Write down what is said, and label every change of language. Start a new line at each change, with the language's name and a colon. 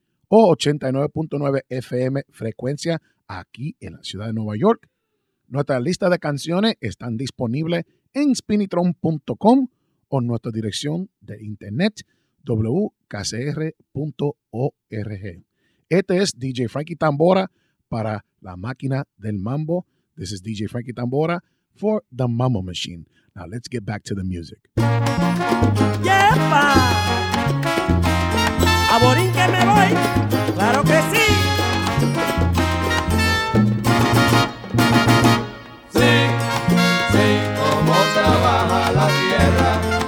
Spanish: O 89.9 FM frecuencia aquí en la ciudad de Nueva York. Nuestra lista de canciones están disponibles en spinitron.com o nuestra dirección de internet wkcr.org. Este es DJ Frankie Tambora para la máquina del mambo.
English: This is DJ Frankie Tambora for the Mambo Machine. Now let's get back to the music.
Spanish: Yeah, a Borín que me voy, claro que sí. Sí, sí, cómo trabaja la tierra.